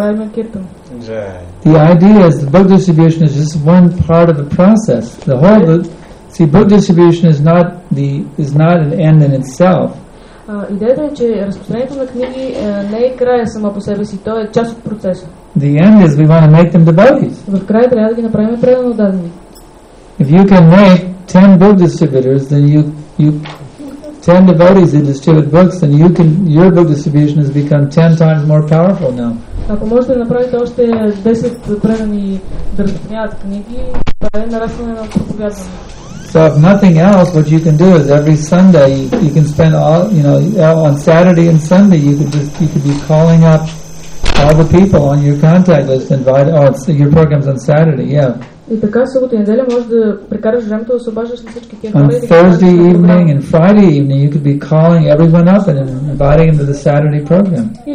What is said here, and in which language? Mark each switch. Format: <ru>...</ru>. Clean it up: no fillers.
<en>The idea is the book distribution is just one part of the process. Book distribution is not is not an end in itself.</en> <bg>Идеята е, че разпространението на книги не е края само по себе си, то е част от процеса.</bg> <en>The end is we want to make them devotees.</en> <bg>В края трябва да ги направим предано дадени.</bg> <en>If you can make 10 book distributors, then you 10 devotees that distribute books, then your book distribution has become 10 times more powerful now.</en> <bg>Ако можете да направите още 10 предани да разпространяват книги, това е нарастване на проповядване.</bg> <en>So if nothing else, what you can do is every Sunday you can spend all, you know, on Saturday and Sunday you could be calling up all the people on your contact list, invite, oh, it's your program's on Saturday, yeah. On Thursday evening and Friday evening you could be calling everyone up and inviting them to the Saturday program.</en>